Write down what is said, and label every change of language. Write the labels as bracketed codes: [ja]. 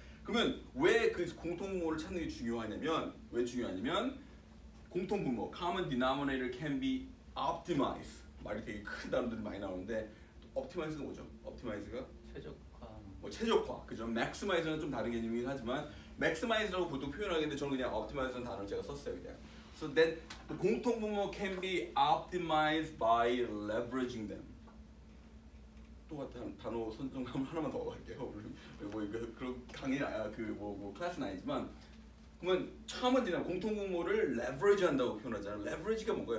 [ko] 그러면 왜 그 공통 분모를 찾는 게 중요하냐면 왜 중요하냐면 공통 분모 [en] common denominator can be optimized. [ko] 말이 되게 큰 단어들이 많이 나오는데 optimize가 뭐죠? optimize가 최적화. 뭐 최적화. 그죠? maximize는 좀 다른 개념이긴 하지만 maximize라고 보통 표현하는데 저는 그냥 optimize라는 단어를 제가 썼어요. 그냥. [en] So that the 공통 분모 can be optimized by leveraging them. [ko] 또 같은 단어 선정 하나만 더 할게요. 그 클래스 아니지만 그러면 처음에는 공통 분모를 leverage 한다고 표현하잖아요. leverage가 뭔가요?